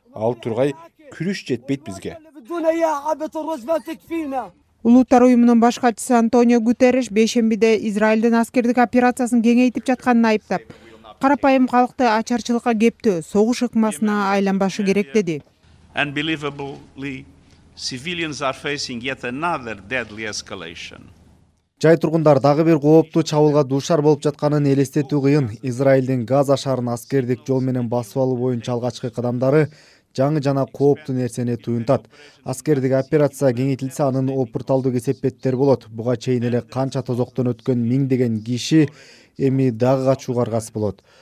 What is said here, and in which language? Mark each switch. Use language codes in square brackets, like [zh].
[ky] Ал тургай күрүш жетпейт бизге. Улуттар уюмунун баш катчысы Антонио Гутерреш бейшембиде Израилдин аскердик операциясын кеңейтип жатканын айыптап, карапайым халыкты ачарчылыкка кептөө, согуш ыкмасына айланбашы керек деди. [en] Unbelievably, civilians are facing yet another deadly escalation. [ky] Жай тургундар дагы бир кооптуу чабуулга дуушар болуп жатканын элестетүү кыйын. Израилдин Газа шаарын аскердик жол менен басып алуу боюнча алгачкы кадамдары жаңы жана кооптуу нерсени туюнтат. Аскердик операция кеңейтилсе, анын опурталдуу кесепеттери болот. Буга чейин эле канча тозоктон өткөн миңдеген киши эми дагы качууга аргасыз болот.